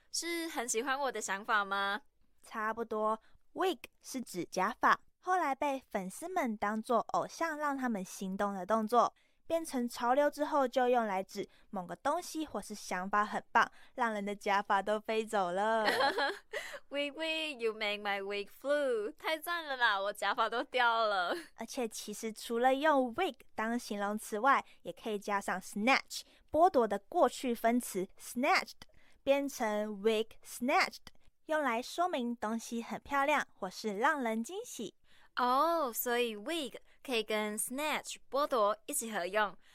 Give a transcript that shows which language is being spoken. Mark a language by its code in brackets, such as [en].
[zh] 是很喜欢我的想法吗？差不多， Wig 是指假发，后来被粉丝们当作偶像让他们行动的动作，变成潮流之后就用来指某个东西或是想法很棒，让人的假发都飞走了。 [en] Wig wig， you make my wig flew， [zh] 太赞了啦，我假发都掉了。而且其实除了用 Wig 当形容词外，也可以加上 snatch，剥夺的过去分词 snatched 变成 wig snatched， 用来说明东西很漂亮或是让人惊喜。哦、oh, 所以 wig 可以跟 snatch 剥夺一起合用。